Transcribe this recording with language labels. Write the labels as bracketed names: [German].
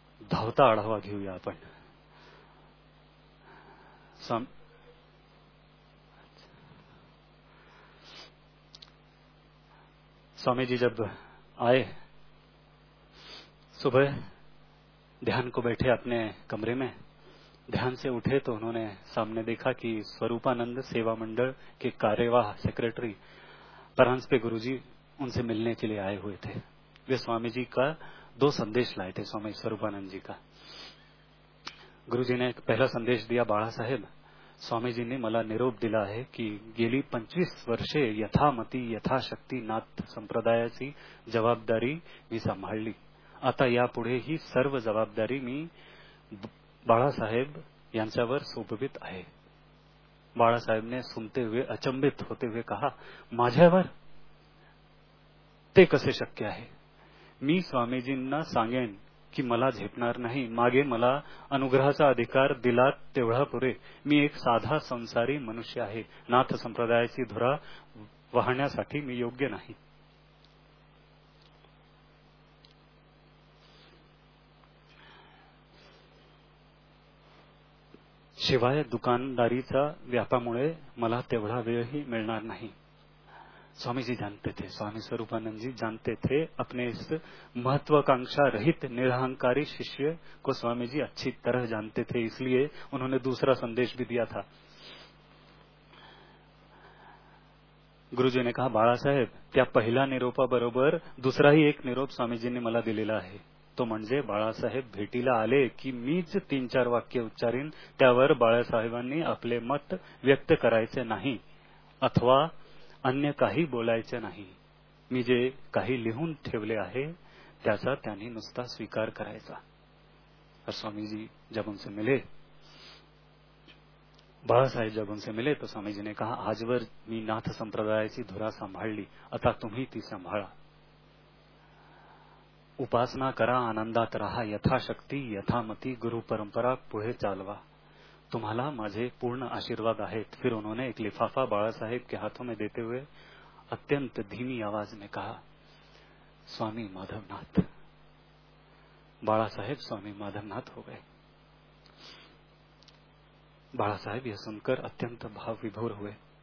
[Hindi] धावता अड़ावा घी हुआ अपन स्वामी जी जब आए सुबह ध्यान को बैठे अपने कमरे में, ध्यान से उठे तो उन्होंने सामने देखा कि स्वरूपानंद सेवा मंडल के कार्यवाह सेक्रेटरी परांश पे गुरुजी उनसे मिलने के लिए आए हुए थे। वे स्वामी जी का दो संदेश लाए थे, स्वामी स्वरूपानंद जी का। गुरुजी ने पहला संदेश दिया, [Marathi] बाळा साहेब स्वामी जी ने मला निरोप दिला है कि गेली 25 वर्षे यथामती यथाशक्ति नाथ संप्रदायाची जबाबदारी मी सांभाळली, आता यापुढे ही सर्व जबाबदारी मी बाळासाहेब यांच्यावर सोपवित आहे। [Hindi] बाळासाहेब ने सुनते हुए अचंबित होते हुए कहा, [Marathi] माझ्यावर ते कसे शक्य आहे? मी स्वामीजींना सांगेन की मला झेपणार नाही, मागे मला अनुग्रहाचा अधिकार दिला तेवढा पुरे, मी एक साधा संसारी मनुष्य आहे, नाथ संप्रदायाची धुरा वाहण्यासाठी मी योग्य नाही। शिवाय दुकानदारीचा व्यापामुळे मला तेवढा वेळही मिळणार नाही। [Hindi] स्वामीजी जानते थे, स्वामी स्वरूपानंद जी जानते थे अपने इस महत्वाकांक्षा रहित निरहंकारी शिष्य को स्वामी जी अच्छी तरह जानते थे, इसलिए उन्होंने दूसरा संदेश भी दिया था। गुरुजी ने कहा, [Marathi] बाळा साहेब त्या पहिला निरोपा बरोबर दूसरा ही एक निरोप स्वामीजींनी मला दिलेला आहे, तो म्हणजे बाळासाहेब भेटीला आले की मीच तीन चार वाक्य उच्चारीन, त्यावर बाळासाहेबांनी आपले मत व्यक्त करायचे नाही अथवा अन्य काही बोलायचे नाही, मी जे काही लिहून ठेवले आहे त्याचा त्यांनी नुसता स्वीकार करायचा। [Hindi] स्वामीजी जब उनसे मिले, बाळासाहेब जब उनसे मिले तो स्वामीजी ने कहा, [Marathi] आजवर मी नाथ संप्रदायाची धुरा सांभाळली, आता तुम्ही ती सांभाळा, उपासना करा, आनंदात रहा, यथाशक्ती यथामती गुरु परंपरा पुढे चालवा, तुम्हाला माझे पूर्ण आशीर्वाद आहेत। [Hindi] फिर उन्होंने एक लिफाफा बाळासाहेब के हाथों में देते हुए अत्यंत धीमी आवाज में कहा, स्वामी माधवनाथ। बाळासाहेब स्वामी माधवनाथ हो गए। बाळासाहेब यह सुनकर अत्यंत भाव विभोर हुए।